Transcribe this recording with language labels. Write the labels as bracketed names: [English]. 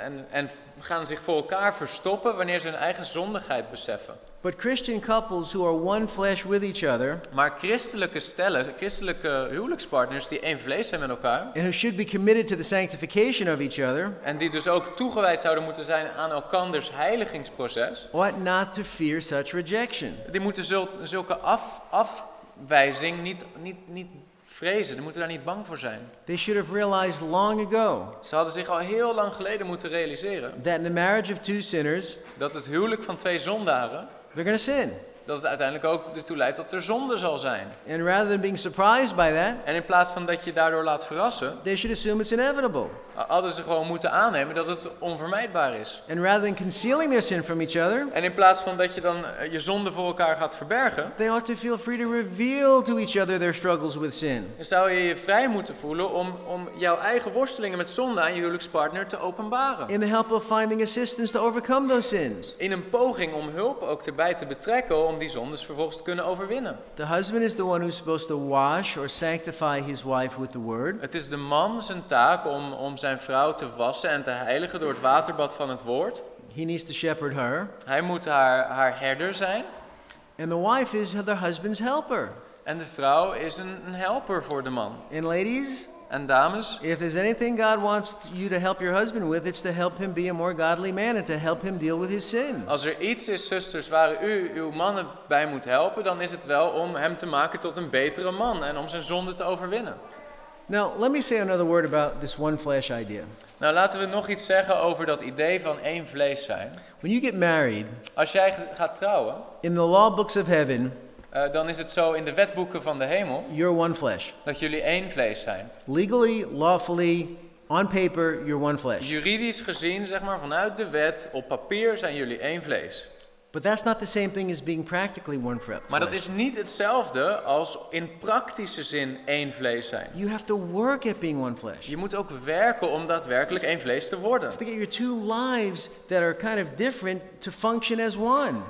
[Dutch] En gaan zich voor elkaar verstoppen wanneer ze hun eigen zondigheid beseffen. [English] But Christian couples who are one flesh with each other. [Dutch] Maar christelijke stellen, christelijke huwelijkspartners die één vlees zijn met elkaar. [English] And who should be committed to the sanctification of each other. [Dutch] En die dus ook toegewijd zouden moeten zijn aan elkanders heiligingsproces. [English] Ought not to fear such rejection. [Dutch] Die moeten zulke afwijzing niet vrezen, ze moeten daar niet bang voor zijn. [English] They should have realized long ago. [Dutch] Ze hadden zich al heel lang geleden moeten realiseren. [English] That in the marriage of two sinners. [Dutch] Dat het huwelijk van twee zondaren. [English] They're gonna sin. [Dutch] Dat het uiteindelijk ook ertoe leidt dat er zonde zal zijn. [English] And rather than being surprised by that. [Dutch] En in plaats van dat je daardoor laat verrassen. [English] They should assume it's inevitable. [Dutch] Hadden ze gewoon moeten aannemen dat het onvermijdbaar is. [English] And rather than concealing their sin from each other. [Dutch] En in plaats van dat je dan je zonde voor elkaar gaat verbergen. [English] They ought to feel free to reveal to each other their struggles with sin. [Dutch] Zou je je vrij moeten voelen om jouw eigen worstelingen met zonde aan je huwelijkspartner te openbaren. [English] In the help of finding assistance to overcome those sins. [Dutch] In een poging om hulp ook erbij te betrekken om die zondes vervolgens te kunnen overwinnen. [English] The husband is the one who's supposed to wash or sanctify his wife with the word. [Dutch] Het is de man zijn taak om zijn vrouw te wassen en te heiligen door het waterbad van het woord. [English] He needs to shepherd her. [Dutch] Hij moet haar herder zijn. [English] And the wife is her husband's helper. [Dutch] En de vrouw is een helper voor de man. [English] And ladies. [Dutch] En dames. [English] If there's anything God wants you to help your husband with, it's to help him be a more godly man and to help him deal with his sin. [Dutch] Als er iets is, zusters, waar u uw mannen bij moet helpen, dan is het wel om hem te maken tot een betere man en om zijn zonde te overwinnen. [English] Now, let me say another word about this one flesh idea. [Dutch] Nou, laten we nog iets zeggen over dat idee van één vlees zijn. [English] When you get married, [Dutch] als jij gaat trouwen, [English] in the law books of heaven, [Dutch] Dan is het zo in de wetboeken van de hemel. [English] You're one flesh. [Dutch] Dat jullie één vlees zijn. [English] Legally, lawfully, on paper, you're one flesh. [Dutch] Juridisch gezien, zeg maar, vanuit de wet, op papier zijn jullie één vlees. [English] But that's not the same thing as being practically one flesh. [Dutch] Maar dat is niet hetzelfde als in praktische zin één vlees zijn. [English] You have to work at being one flesh. [Dutch] Je moet ook werken om daadwerkelijk één vlees te worden. [English] To get your two lives that are kind of different to function as one.